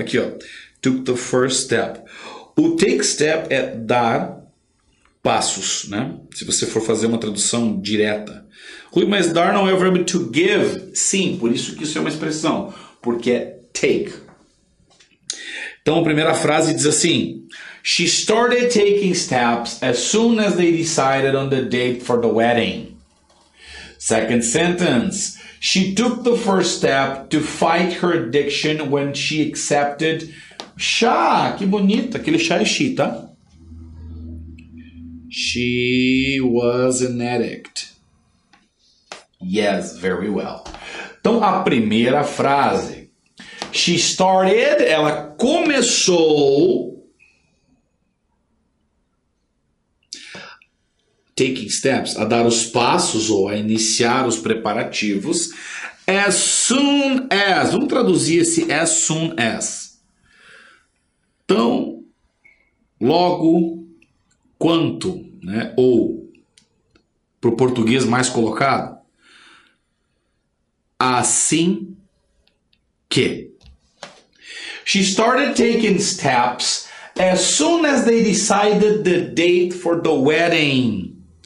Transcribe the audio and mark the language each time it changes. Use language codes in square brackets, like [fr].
[pt] Aqui, ó. [en] Took the first step. [pt] O take step é dar passos, né? Se você for fazer uma tradução direta. Rui, mas dar não é o verbo to give. Sim, por isso que isso é uma expressão. Porque é take. Então, a primeira frase diz assim. [en] She started taking steps as soon as they decided on the date for the wedding. Second sentence, she took the first step to fight her addiction when she accepted chá. [pt] Que bonito, aquele chá é chi, tá? [en] She was an addict. Yes, very well. [pt] Então, a primeira frase. [en] She started, [pt] ela começou [en] taking steps, [pt] a dar os passos ou a iniciar os preparativos [en] as soon as, [pt] vamos traduzir esse as soon as, tão logo quanto, né? Ou para o português mais colocado, assim que. [en] She started taking steps as soon as they decided the date for the wedding.